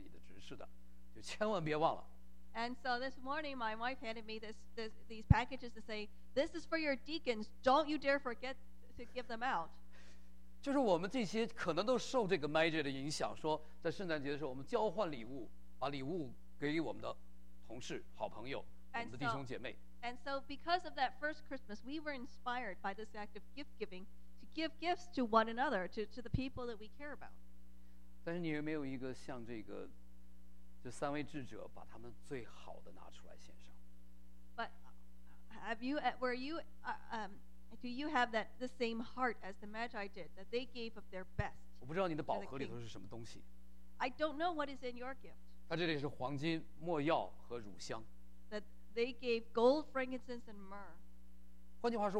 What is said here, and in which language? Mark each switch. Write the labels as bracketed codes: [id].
[zh] 师母就提醒我说，你今天这一包是你要送给你的执事的，就千万别忘了。 [en] And so this morning, my wife handed me these packages to say, "This is for your deacons. Don't you dare forget to give them out." [zh] 就是我们这些可能都受这个 Magic 的影响，说在圣诞节的时候，我们交换礼物，把礼物给我们的同事、好朋友、我们的弟兄姐妹。 [en] And so because of that first Christmas, we were inspired by this act of gift giving to give gifts to one another, to the people that we care about. [zh] 但是你有没有一个像这三位智者把他们最好的拿出来献上? [en] But do you have that the same heart as the Magi did, that they gave of their best? [zh] 我不知道你的宝盒里头是什么东西。 [en] I don't know what is in your gift. [zh] 它这里是黄金、没药和乳香。 [en] They gave gold, frankincense, and myrrh.